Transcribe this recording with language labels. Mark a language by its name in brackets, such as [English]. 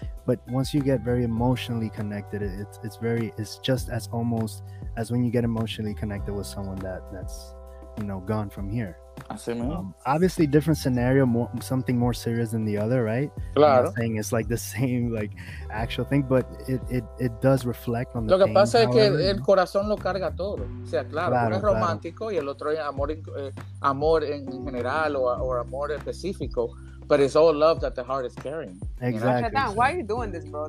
[English] But once you get very emotionally connected, it's just as almost as when you get emotionally connected with someone that's, you know, gone from here. Obviously different scenario, something more serious than the other, right? [Spanish] Claro. [English] I'm not saying it's like the same like actual thing, but it does reflect on the [Spanish] lo que [English] pain, [Spanish] pasa es que el, el corazón lo carga todo, o sea, claro, uno es romántico y el otro es amor en general o amor específico. [English] But it's all love that the heart is carrying. Exactly. You know? Why are you doing this, bro?